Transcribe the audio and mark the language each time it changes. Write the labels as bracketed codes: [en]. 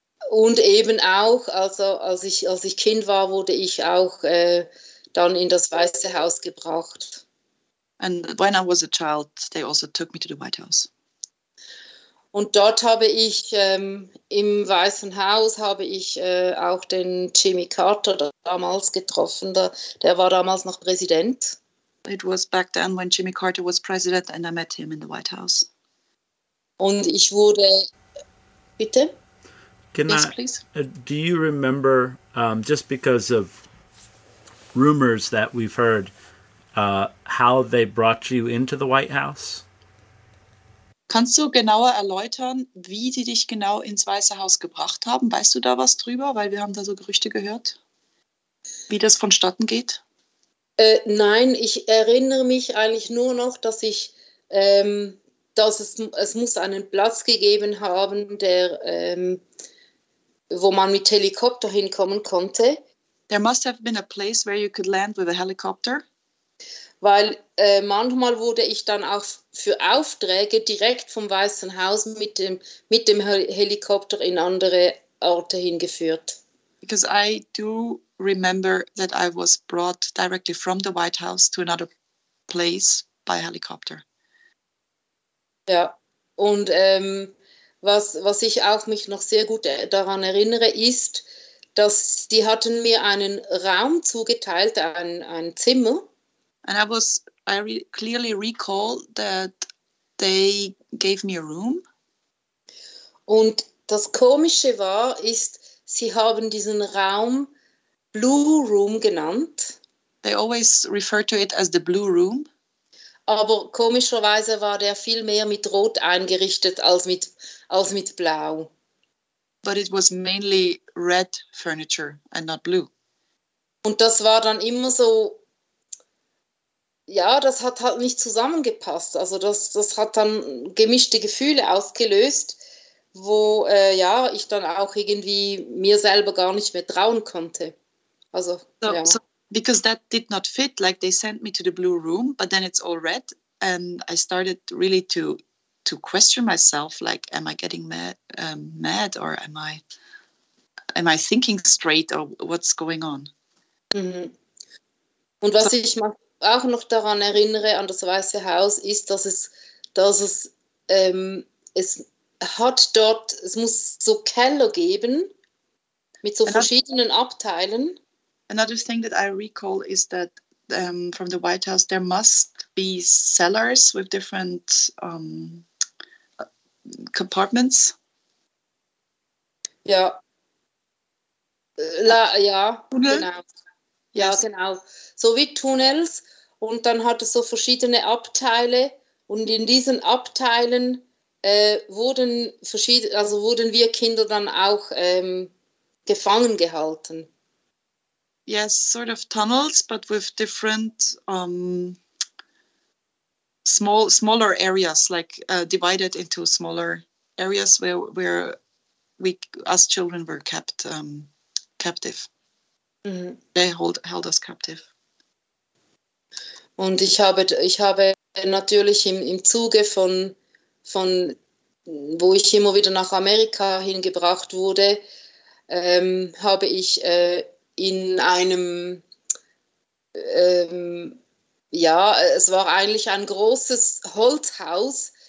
[de] Und eben auch, also als ich Kind war, wurde ich auch dann in das Weiße Haus gebracht. [en] And when I was a child, they also took me to the White House. [de] Und dort habe ich im Weißen Haus habe ich auch den Jimmy Carter damals getroffen. Der war damals noch Präsident. [en] It was back then when Jimmy Carter was president and I met him in the White House. [de] Und ich wurde, bitte? [en] Can yes, I, please. Do you remember, just because of rumors that we've heard, how they brought you into the White House? [de] Kannst du genauer erläutern, wie sie dich genau ins Weiße Haus gebracht haben? Weißt du da was drüber? Weil wir haben da so Gerüchte gehört, wie das vonstatten geht. Nein, ich erinnere mich eigentlich nur noch, dass ich, dass es muss einen Platz gegeben haben, der, wo man mit Helikopter hinkommen konnte. [en] There must have been a place where you could land with a helicopter. [de] Weil manchmal wurde ich dann auch für Aufträge direkt vom Weißen Haus mit dem Helikopter in andere Orte hingeführt. [en] Because I do remember that I was brought directly from the White House to another place by helicopter. [de] Ja, und was ich auch mich noch sehr gut daran erinnere, ist, dass die hatten mir einen Raum zugeteilt, ein Zimmer. [en] And I re clearly recall that they gave me a room. [de] Und das Komische war, ist, sie haben diesen Raum Blue Room genannt. [en] They always refer to it as the blue room. [de] Aber komischerweise war der viel mehr mit Rot eingerichtet als mit Blau. [en] But it was mainly red furniture and not blue. [de] Und das war dann immer so, ja, das hat halt nicht zusammengepasst. Also das hat dann gemischte Gefühle ausgelöst, wo ja, ich dann auch irgendwie mir selber gar nicht mehr trauen konnte. Also [en] So, [de] ja. [en] because that did not fit, like they sent me to the blue room, but then it's all red, and I started really to question myself, like, am I getting mad, or am I thinking straight, or what's going on? [de] Und was ich auch noch daran erinnere an das Weiße Haus, ist, es muss so Keller geben mit so verschiedenen Abteilen. [en] Another thing that I recall is that from the White House, there must be cellars with different compartments. [de] Ja. Ja, Tunnel? genau. Ja, [en] Yes. [de] genau. So wie Tunnels. Und dann hat es so verschiedene Abteile. Und in diesen Abteilen wurden wir Kinder dann auch gefangen gehalten. [en] Yes, sort of tunnels, but with different smaller areas, like divided into smaller areas where we us children were kept captive. They held us captive. [de] Und ich habe natürlich im Zuge von wo ich immer wieder nach Amerika hingebracht wurde, habe ich in einem, ja, es war eigentlich ein großes Holzhaus.